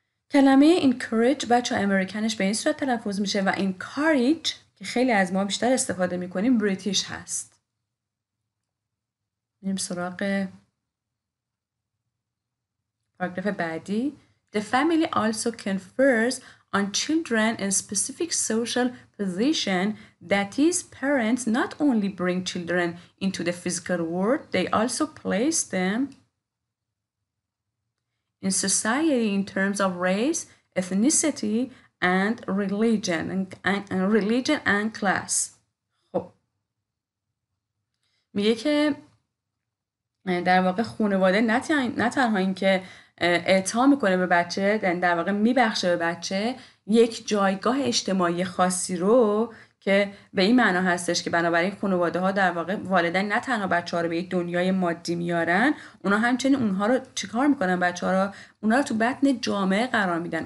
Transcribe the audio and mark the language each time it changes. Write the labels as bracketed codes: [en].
[fa] کلمه encourage بچه امریکنش به این صورت تلفظ میشه و encourage که خیلی از ما بیشتر استفاده میکنیم بریتیش هست. میریم سراغ پاراگراف بعدی. [en] The family also confers on children in specific social position, that is parents not only bring children into the physical world, they also place them in society in terms of race, ethnicity and religion and religion and class. [fa] خب میگه که در واقع خانواده نه تنها این که اعطا میکنه به بچه، در واقع میبخشه به بچه یک جایگاه اجتماعی خاصی رو، که به این معنا هستش که بنابراین خانواده ها در واقع والدین نه تنها بچه ها رو به یک دنیای مادی میارن، اونا همچنین اونها رو چیکار میکنن؟ بچه ها رو اونا رو تو بطن جامعه قرار میدن.